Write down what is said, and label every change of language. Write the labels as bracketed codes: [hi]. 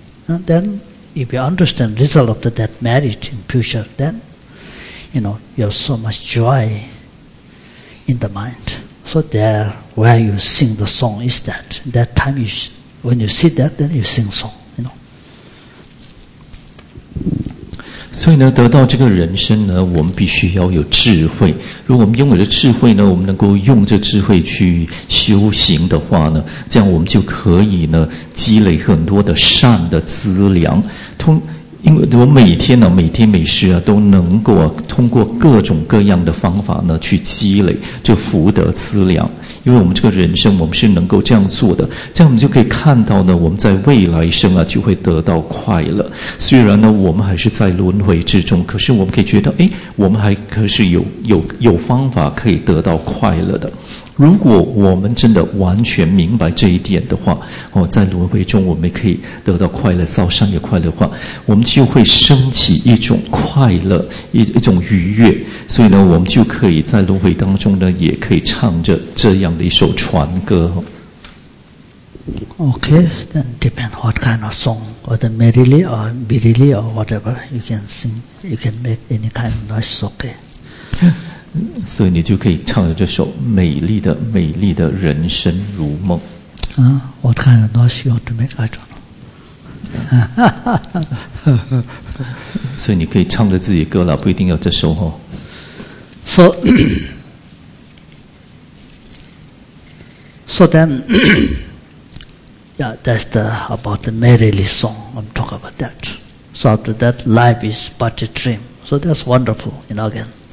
[en] And then,If you understand the result of that merit in future, then, you know, you have so much joy in the mind. So there, where you sing the song is that. That time, when you see that, then you sing song, you know. [zh] 所以呢，得到这个人生呢，我们必须要有智慧。如果我们拥有了智慧呢，我们能够用这智慧去修行的话呢，这样我们就可以呢积累很多的善的资粮。因为我每天呢、啊，每天每时啊，都能够、啊、通过各种各样的方法呢，去积累就福德资粮。因为我们这个人生，我们是能够这样做的，这样我们就可以看到呢，我们在未来生啊，就会得到快乐。虽然呢，我们还是在轮回之中，可是我们可以觉得，哎，我们还可是有方法可以得到快乐的。如果我们真的完全明白这一点的话，哦，在轮回中我们可以得到快乐，造善业快乐的话，我们就会升起一种快乐，一种愉悦。所以呢，我们就可以在轮回当中呢，也可以唱着这样的一首传歌。 [en] Okay, then depend what kind of song, whether merrily or bitterly or whatever you can sing, you can make any kind of noise. Okay. [zh] 所以你就可以唱着这首美丽的美丽的人生如梦。 [en] What kind of noise you want to make? I don't know. [zh] 所以你可以唱着自己歌了，不一定要这首哦。 [en] So then, yeah, that's the about the merrily song. I'm talking about that. So after that, life is but a dream. So that's wonderful. You know again.